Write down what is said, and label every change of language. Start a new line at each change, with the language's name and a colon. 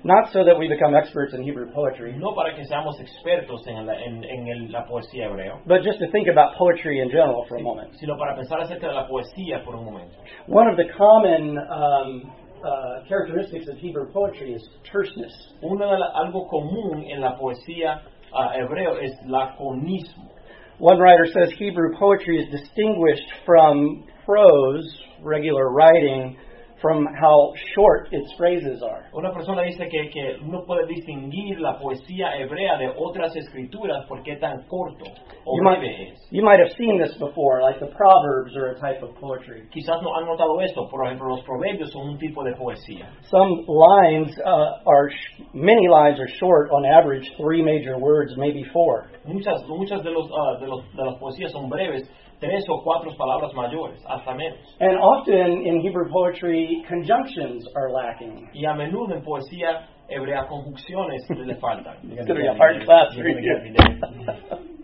English: Not so that we become experts in Hebrew poetry.
Spanish: No para que seamos expertos en la poesía hebrea.
English: But just to think about poetry in general for a moment.
Spanish: Sino para pensar acerca de la poesía por un momento.
English: One of the common characteristics of Hebrew poetry is terseness.
Spanish: Algo común en la poesía hebreo es laconismo.
English: One writer says Hebrew poetry is distinguished from prose, regular writing, from how short its phrases are.
Spanish: Una persona dice que uno puede distinguir la poesía hebrea de otras escrituras porque tan corto o breve es.
English: You might have seen this before, like the proverbs are a type of poetry.
Spanish: Quizás no han notado esto, por ejemplo, los proverbios son un tipo de poesía.
English: Some lines many lines are short on average, three major words, maybe four.
Spanish: Muchas de las poesías son breves. Tres o cuatro palabras mayores, hasta menos.
English: And often in Hebrew poetry, conjunctions are lacking.
Spanish: Y a menudo en poesía hebrea, conjunciones le faltan.
English: It's going to be a hard class for you.